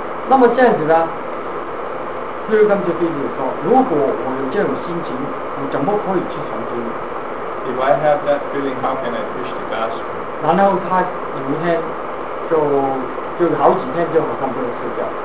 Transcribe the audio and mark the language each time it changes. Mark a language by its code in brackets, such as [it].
[zh] 那么这样子呢，比利根就对你说：“如果我有这种心情，我怎么可以去传福音？” [en] If I have that feeling, how can I preach the gospel? [zh] 然后他有一天就好几天就好像不能睡觉。